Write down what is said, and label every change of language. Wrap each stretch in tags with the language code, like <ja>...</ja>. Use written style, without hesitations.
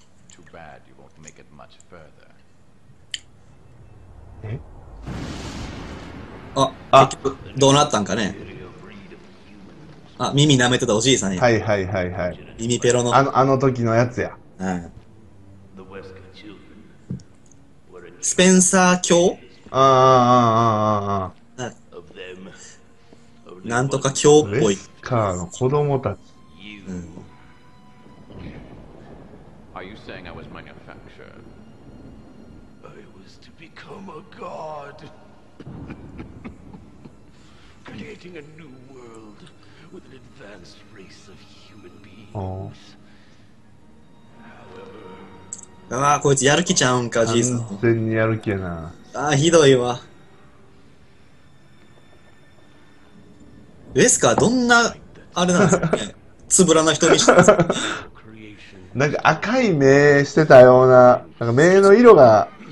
<en>Too bad you won't make it much further.</en> <ja>え？あ、結局どうなったんかね。あ、耳舐めてたおじいさんや。はいはいはいはい。耳ペロの。あの時のやつや。うん。スペンサー教？ああ。なんとか教っぽい。カーの子供たち、</ja> <en>Are you saying I was manufactured? I was to become a god, creating a new world with an advanced race of human beings. However,</en> <ja>ああ、こいつやる気ちゃうんか、じいさん。完全にやる気やな。ああ、ひどいわ。ウェスカーどんな、あれなんですかね。つぶらな瞳してなんか赤い目してたよう なんか目の色が、</ja>